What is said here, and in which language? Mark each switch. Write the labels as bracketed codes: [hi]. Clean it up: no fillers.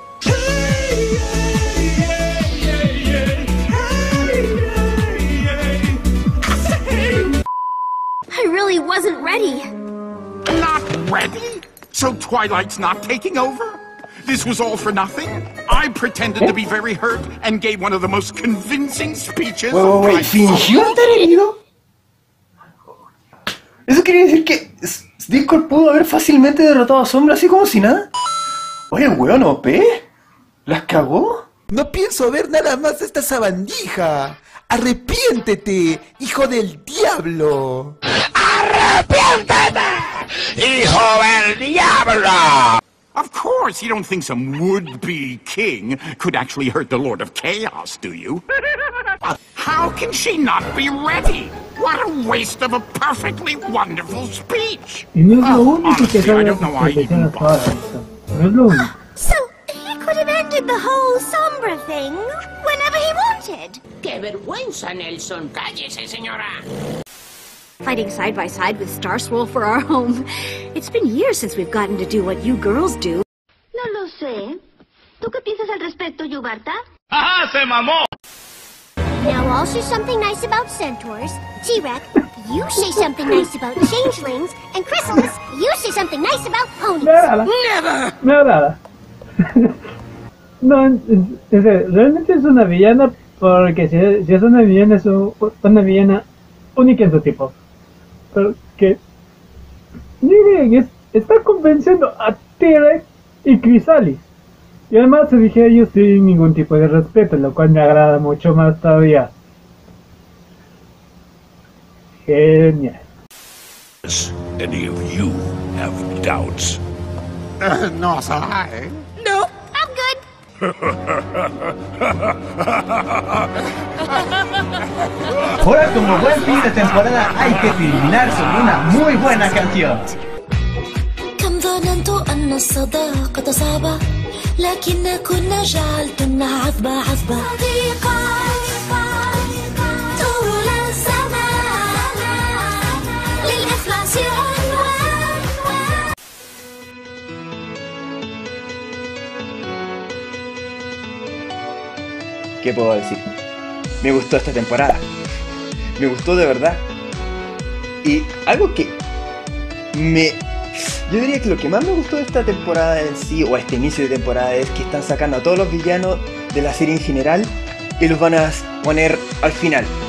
[en] I really wasn't ready. Not ready? So Twilight's not taking over? This was all for nothing? I pretended to be very hurt and gave one of the most convincing speeches. Wait. [es] ¿Fingió estar herido? ¿Eso quiere decir que Discord pudo haber fácilmente derrotado a Sombra así como si nada? Oye, weón, OP. ¿Las cagó? No pienso ver nada más esta sabandija. ¡Arrepiéntete, hijo del diablo! ¡Arrepiéntete, hijo del diablo! [en] Of course, you don't think some would-be king could actually hurt the Lord of Chaos, do you? How can she not be ready? What a waste of a perfectly wonderful speech! So, he could have ended the whole Sombra thing whenever he wanted! [es] ¡Qué vergüenza, Nelson! ¡Cállese, señora! [en] Fighting side by side with Star Swirl for our home. It's been years since we've gotten to do what you girls do. [es] No lo sé. ¿Tú qué piensas al respecto, Yubarta? ¡Ajá, se mamó! [en] Now I'll say something nice about centaurs. T-Rex, you say something nice about changelings. And Chrysalis, you say something nice about ponies. ¡Never! ¡Never! [es] No, realmente es una villana, porque si es una villana, es una villana única en su tipo. demostrar que Nibiren está convenciendo a T-Rex y Chrysalis. Y además se dije a ellos sin ningún tipo de respeto, lo cual me agrada mucho más todavía. Genial. [en] Any of you have doubts? No, sorry. No, I'm good. [es] Ahora, como buen fin de temporada, hay que terminar con una muy buena canción. [ar] ظننت أن الصداقة صعبة لكنك نجعلت عذبة عذبة صديقة طول الزمان للإخلاص عنوان [es] ¿Qué puedo decir? Me gustó esta temporada. Me gustó de verdad. Y algo que me... Yo diría que lo que más me gustó de esta temporada en sí, o este inicio de temporada, es que están sacando a todos los villanos de la serie en general y los van a poner al final.